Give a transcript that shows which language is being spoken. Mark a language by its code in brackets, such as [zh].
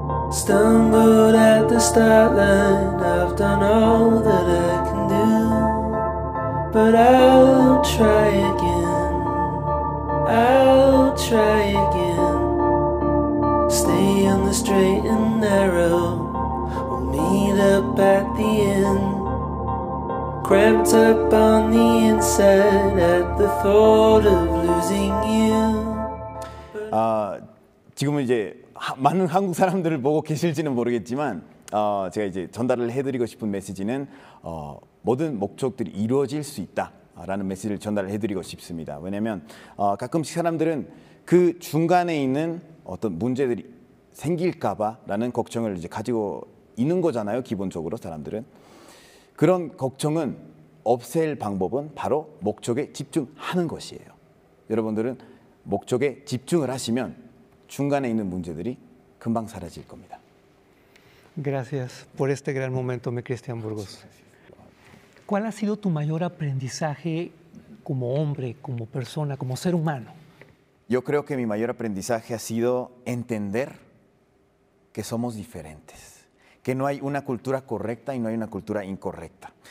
[en] Stumbled at the start line, I've done all that I can do, but I'll try again, stay on the straight and narrow, we'll meet up at the end, cramped up on the inside at the thought of losing you. [ko] 지금은 이제 많은 한국 사람들을 보고 계실지는 모르겠지만 제가 이제 전달을 해드리고 싶은 메시지는 모든 목적들이 이루어질 수 있다라는 메시지를 전달을 해드리고 싶습니다. 왜냐하면 가끔씩 사람들은 그 중간에 있는 어떤 문제들이 생길까 봐라는 걱정을 이제 가지고 있는 거잖아요. 기본적으로 사람들은 그런 걱정은 없앨 방법은 바로 목적에 집중하는 것이에요. 여러분들은 목적에 집중을 하시면 중간에 있는 문제들이 금방 사라질 겁니다. [es] Gracias por este gran momento, mi Cristian Burgos. ¿Cuál ha sido tu mayor aprendizaje como hombre, como persona, como ser humano? Yo creo que mi mayor aprendizaje ha sido entender que somos diferentes, que no hay una cultura correcta y no hay una cultura incorrecta.